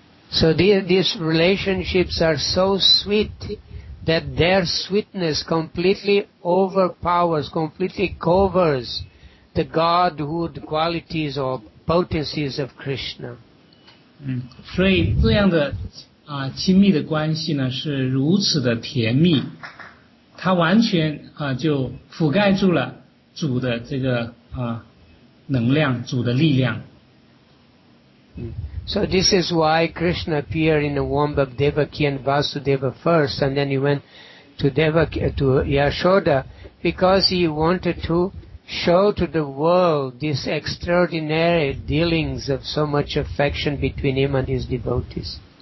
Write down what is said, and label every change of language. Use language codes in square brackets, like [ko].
[en] So these relationships are so sweet that their sweetness completely overpowers, completely covers the godhood qualities or potencies of Krishna. [zh] 所以这样的亲密的关系呢是如此的甜蜜，它完全就覆盖住了主的这个能量，主的力量。 [en] So this is why Krishna appeared in the womb of Devaki and Vasudeva first, and then he went to Devaki, to Yashoda, because he wanted to show to the world this extraordinary dealings of so much affection between him and his devotees.